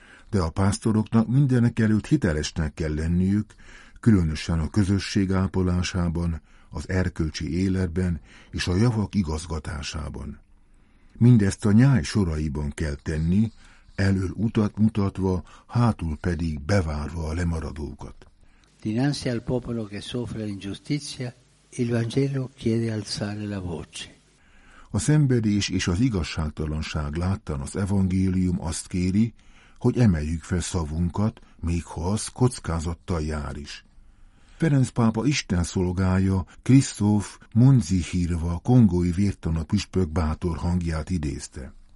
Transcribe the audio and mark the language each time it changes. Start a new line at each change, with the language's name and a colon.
Hungarian: De a pásztoroknak mindenek előtt hitelesnek kell lenniük, különösen a közösség ápolásában, az erkölcsi életben és a javak igazgatásában. Mindezt a nyáj soraiban kell tenni, elől utat mutatva, hátul pedig bevárva a lemaradókat.
Italian: Dinanzi al popolo che soffre l'ingiustizia, il Vangelo chiede alzare la voce.
Hungarian: A szenvedés és az igazságtalanság láttán az evangélium azt kéri, hogy emeljük fel szavunkat, még ha az kockázattal jár is. Ferenc pápa Isten szolgája, Krisztóf Munzihírva, kongói vértana püspök bátor hangját idézte.